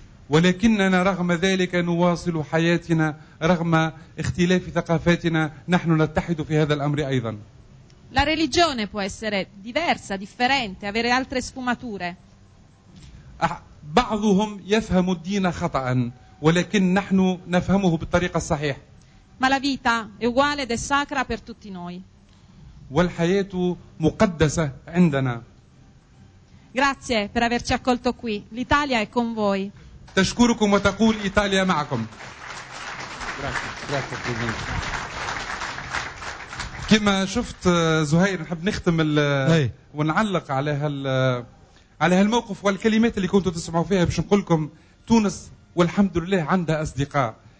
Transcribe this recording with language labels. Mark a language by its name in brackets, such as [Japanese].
[Arabic] ولكننا رغم ذلك نواصل حياتنا رغم اختلاف ثقافاتنا, نحن نتحد في هذا الأمر أيضا. [Italian] La religione può essere diversa, differente, avere altre sfumature. [Arabic] بعضهم يفهم الدين خطأ ولكن نحن نفهمه بالطريقة الصحيحة. [Italian] Ma la vita è uguale ed è sacra per tutti noi. [Arabic] والحياة مقدسة عندنا. [Italian] Grazie per averci accolto qui. L'Italia è con voi. [Arabic] تشكركم وتقول إيطاليا معكم. كما شفت زهير نحب نختم ونعلق على هالموقف والكلمات اللي كنتوا تسمعوا فيها باش نقول لكم تونس والحمد لله عندها أصدقاء.